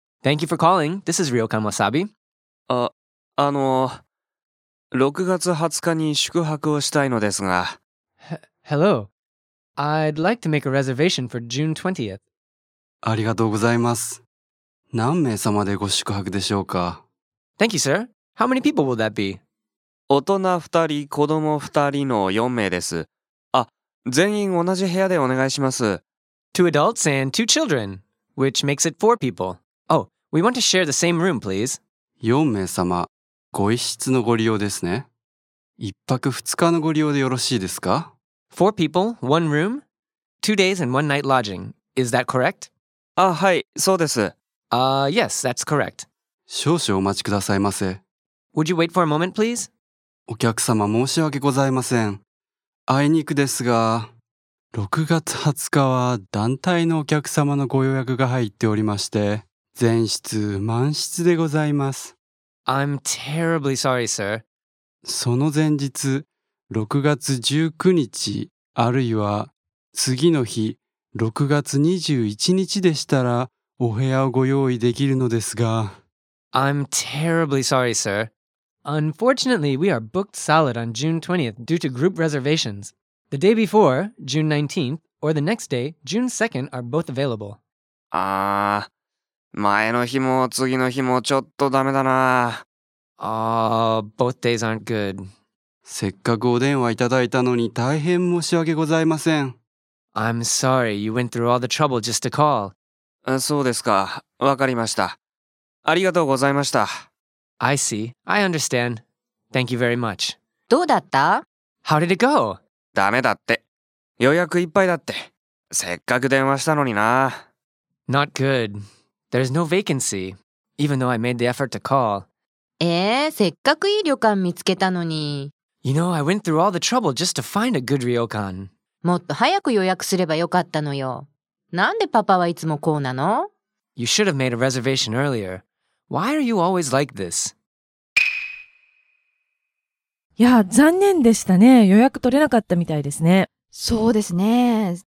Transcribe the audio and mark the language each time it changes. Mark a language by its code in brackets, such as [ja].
[en] Thank you for calling. This is Ryokan Wasabi. [ja] あの、6月20日に宿泊をしたいのですが。 [en] Hello. I'd like to make a reservation for June 20th. [ja] ありがとうございます。何名様でご宿泊でしょうか？ [en] Thank you, sir. How many people will that be? [ja] 大人2人、子供2人の4名です。あ、全員同じ部屋でお願いします。 [en] 2 adults and 2 children, which makes it 4 people. Oh, we want to share the same room, please. [ja] 4名様、ご一室のご利用ですね。一泊二日のご利用でよろしいですか? [en] 4 people, 1 room, 2 days and 1 night lodging. Is that correct? [ja] あ、はい、そうです。 [en] Yes, that's correct. [ja] 少々お待ちくださいませ。 [en] Would you wait for a moment, please? [ja] お客様申し訳ございません。あいにくですが、6月20日は団体のお客様のご予約が入っておりまして、全室満室でございます。 [en] I'm terribly sorry, sir. [ja] その前日、6月19日、あるいは次の日、6月21日でしたら、お部屋をご用意できるのですが。 [en] I'm terribly sorry, sir. Unfortunately, we are booked solid on June 20th due to group reservations. The day before, June 19th, or the next day, June 2nd, are both available. [ja] Ah, 前の日も次の日もちょっとダメだな。 [en] Both days aren't good. [ja] せっかくお電話いただいたのに大変申し訳ございません。 [en] I'm sorry, you went through all the trouble just to call. [ja] そうですか。わかりました。ありがとうございました。 [en] I see. I understand. Thank you very much. [ja] どうだった? [en] How did it go? [ja] ダメだって。予約いっぱいだって。せっかく電話したのにな。 [en] Not good. There's no vacancy, even though I made the effort to call. [ja] せっかくいい旅館見つけたのに。 [en] You know, I went through all the trouble just to find a good ryokan. [ja] もっと早く予約すればよかったのよ。なんでパパはいつもこうなの? [en] You should have made a reservation earlier. Why are you always like this? [ja] いや、残念でしたね。予約取れなかったみたいですね。そうですね。